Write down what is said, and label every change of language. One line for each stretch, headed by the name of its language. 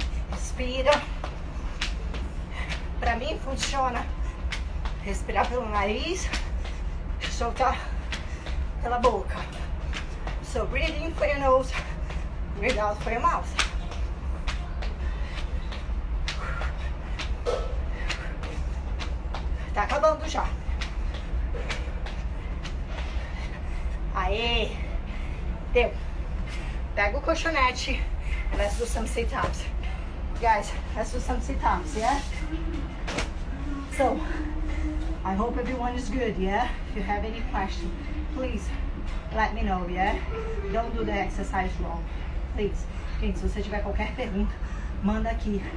Portuguese: Respira. Pra mim funciona respirar pelo nariz, soltar pela boca.
English: So breathe in for your nose, breathe out for your mouth.
Portuguese: Tá acabando já. Aê, deu. Pega o colchonete,
English: let's do some sit-ups. Guys, let's do some sit-ups, yeah? So, I hope everyone is good, yeah? If you have any question, please let me know, yeah? Don't do the exercise wrong, please.
Portuguese: Gente, se você tiver qualquer pergunta, manda aqui.